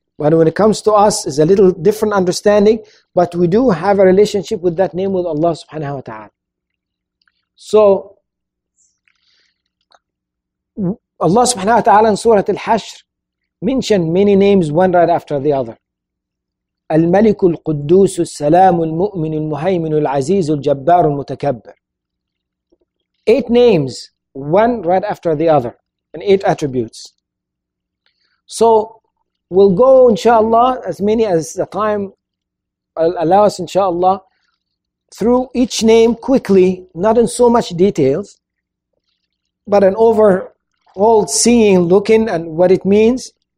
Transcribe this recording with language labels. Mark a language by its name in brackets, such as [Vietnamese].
[English] But when it comes to us, it's a little different understanding, but we do have a relationship with that name, with Allah subhanahu wa ta'ala. So Allah subhanahu wa ta'ala in Surah Al-Hashr mentioned many names one right after the other. [Arabic] الملك القدوس السلام المؤمن المهيمن العزيز الجبار المتكبر. [English] Eight names, one right after the other, and eight attributes. So we'll go, inshallah, as many as the time allows, inshallah, through each name quickly, not in so much details, but an overall seeing, looking, and what it means.